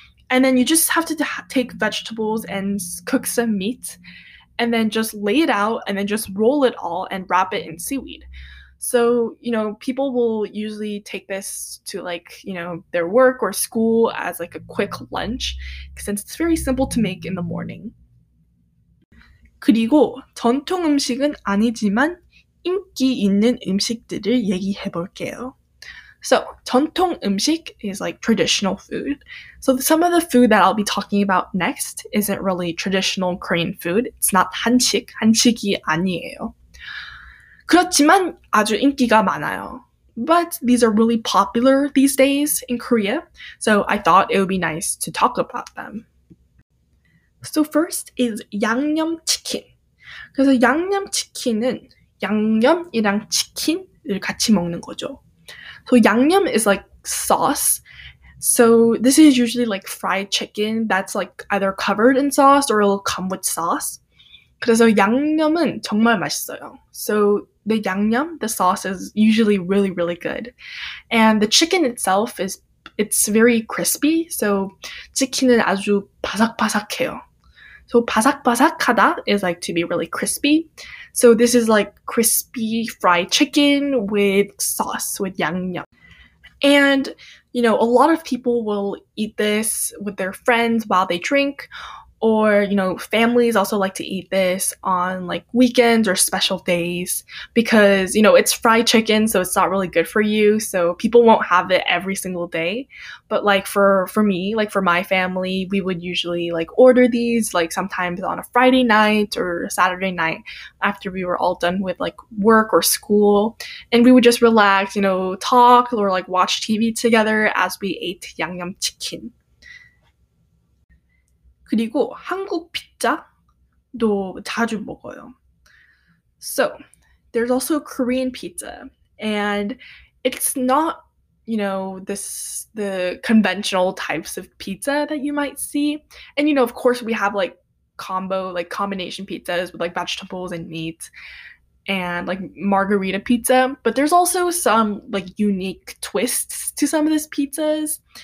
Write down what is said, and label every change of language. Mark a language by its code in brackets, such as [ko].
[en] And then you just have to take vegetables and cook some meat and then just lay it out and then just roll it all and wrap it in seaweed. So, you know, people will usually take this to like, you know, their work or school as like a quick lunch since it's very simple to make in the morning. [ko] 그리고 전통 음식은 아니지만 인기 있는 음식들을 얘기해 볼게요. [en] So, 전통 음식 is like traditional food. So, some of the food that I'll be talking about next isn't really traditional Korean food. It's not [ko] 한식, 한식이 아니에요. 그렇지만 아주 인기가 많아요. [en] But these are really popular these days in Korea, so I thought it would be nice to talk about them. So, first is 양념 치킨. [ko] 그래서 양념 치킨은 양념이랑 치킨을 같이 먹는 거죠. [en] So, 양념 is like sauce. So, this is usually like fried chicken that's like either covered in sauce or it'll come with sauce. [ko] 그래서 양념은 정말 맛있어요. [en] So, the 양념, the sauce is usually really, really good. And the chicken itself is It's very crispy. [ko] So 치킨은 아주 바삭바삭해요. [en] So 바삭바삭하다 is like to be really crispy. So this is like crispy fried chicken with sauce, with yangnyeom. And, you know, a lot of people will eat this with their friends while they drink. Or, you know, families also like to eat this on like weekends or special days because, you know, it's fried chicken, so it's not really good for you. So people won't have it every single day. But like for me, like for my family, we would usually like order these like sometimes on a Friday night or a Saturday night after we were all done with like work or school. And we would just relax, you know, talk or like watch TV together as we ate yangnyeom chicken. [ko] 그리고 한국 피자도 자주 먹어요. [en] So, there's also Korean pizza. And it's not, you know, the conventional types of pizza that you might see. And, you know, of course, we have, like, combo, like, combination pizzas with, like, vegetables and meat. And, like, margarita pizza. But there's also some, like, unique twists to some of these pizzas.